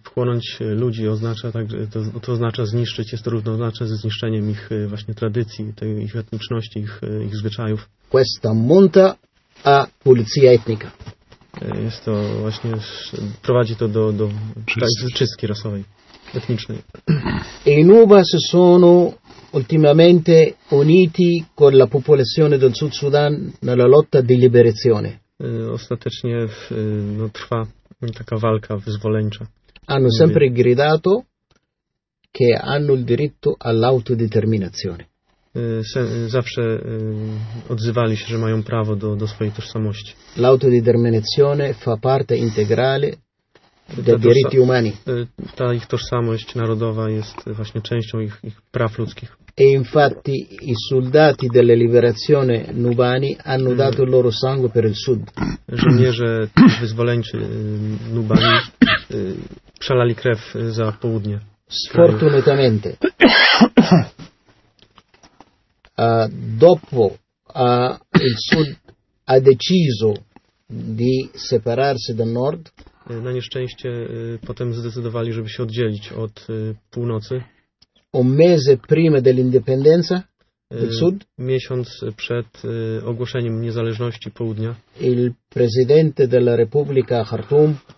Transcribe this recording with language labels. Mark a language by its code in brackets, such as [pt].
[pl] Wchłonąć ludzi oznacza także, to oznacza zniszczyć, jest to równoznaczne ze zniszczeniem ich właśnie tradycji, tej, ich etniczności, ich zwyczajów. [it] Questa monta a pulizia etnica. [pl] Jest to właśnie, prowadzi to do czystki rasowej, etnicznej. [it] I nuba si sono ultimamente uniti con la popolazione del Sud Sudan nella lotta di liberazione. [pl] Ostatecznie no, trwa taka walka wyzwoleńcza. [it] Hanno sempre gridato che hanno il diritto all'autodeterminazione. [pl] Zawsze odzywali się, że mają prawo do swojej tożsamości. [it] L'autodeterminazione fa parte integrale dei diritti umani. [pl] Ta ich tożsamość narodowa jest właśnie częścią ich praw ludzkich. [it] E infatti i soldati della liberazione nubani hanno dato il loro sangue per il sud. [pl] Żołnierze wyzwoleńczy nubani przelali krew za południe. [it] Sfortunatamente. Dopo il sud ha deciso di separarsi dal nord. [pl] Na nieszczęście potem zdecydowali, żeby się oddzielić od północy. [it] Un mese prima dell'indipendenza del sud. [pl] Miesiąc przed ogłoszeniem niezależności południa. [it] Il presidente della Repubblica Khartoum.